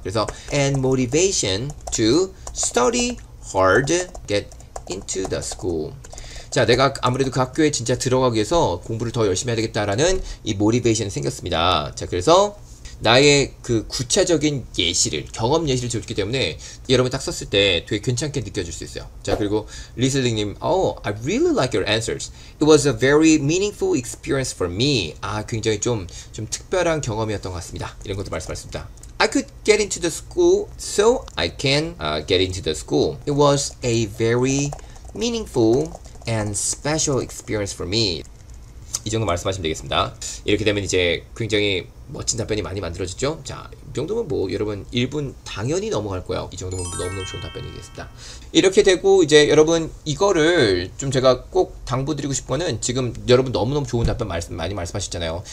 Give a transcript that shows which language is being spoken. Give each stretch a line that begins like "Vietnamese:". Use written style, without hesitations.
Korean: 그래서
English: and motivation to study hard get into the school.
Korean: 자, 내가 아무래도 그 학교에 진짜 들어가기 위해서 공부를 더 열심히 해야 되겠다라는 이 motivation이 생겼습니다. 자, 그래서 나의 그 구체적인 예시를 경험 예시를 줬기 때문에 여러분 딱 썼을 때 되게 괜찮게 느껴질 수 있어요. 자, 그리고
English: 리슬링님, Oh, I really like your answers. It was a very meaningful experience for me.
Korean: 아, 굉장히 좀 특별한 경험이었던 것 같습니다. 이런 것도 말씀하셨습니다.
English: I could get into the school, so I can get into the school. It was a very meaningful and special experience for me.
Korean: 이 정도 말씀하시면 되겠습니다. 이렇게 되면 이제 굉장히 멋진 답변이 많이 만들어지죠. 자, 이 정도면 뭐 여러분 1분 당연히 넘어갈 거예요. 이 정도면 너무너무 좋은 답변이겠습니다. 이렇게 되고 이제 여러분 이거를 좀 제가 꼭 당부드리고 싶은 거는 지금 여러분 너무너무 좋은 답변 많이 말씀하셨잖아요.